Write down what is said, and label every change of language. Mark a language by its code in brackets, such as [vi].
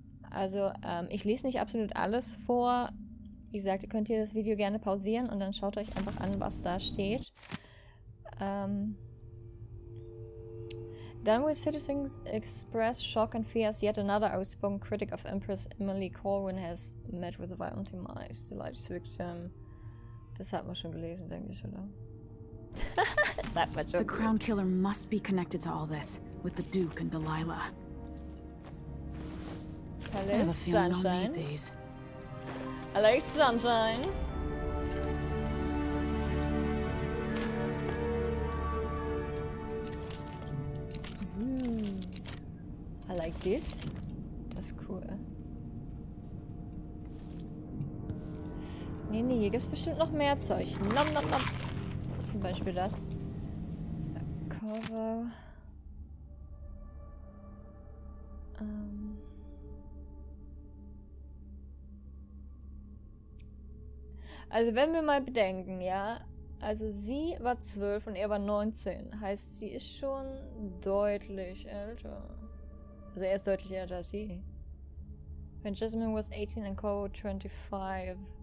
[de] Also, ich lese nicht absolut alles vor. Wie gesagt, ihr könnt hier das Video gerne pausieren und dann schaut euch einfach an, was da steht. [en] Then with citizens express shock and fear as yet another outspoken critic of Empress Emily Kaldwin has met with a violent demise. The latest victim. [de] Das hat man schon gelesen, denke ich, oder? [en] That much the crown killer must be connected to all this with the Duke and Delilah. Hello, sunshine. Hello, sunshine. I like this. That's cool. [de] Nee, nee, hier gibt's bestimmt noch mehr Zeug. Nom, nom, nom. Zum Beispiel das. Corvo. Also wenn wir mal bedenken, ja, also sie war 12 und er war 19, heißt sie ist schon deutlich älter. Also er ist deutlich älter als sie. [en] When Jasmine was 18 and Corvo 25.